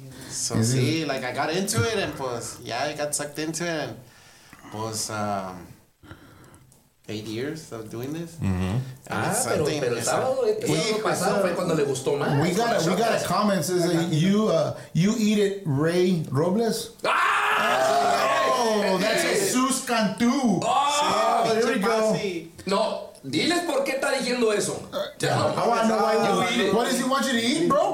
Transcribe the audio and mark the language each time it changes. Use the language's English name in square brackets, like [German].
[English] So, sí, like, I got into it, and, pues, yeah, I got sucked into it, and, pues, 8 years of doing this. Mm-hmm. [Spanish] Ah, so pero el sábado, este sábado pasado fue cuando le gustó más. [English] We got a comment, says, you eat it, Ray Robles? Ah! Oh, that's Jesus Cantu. Oh, there we go. [Spanish] No. Diles por qué está diciendo eso. [English] How I know why you eat it. What does he want you to eat, bro?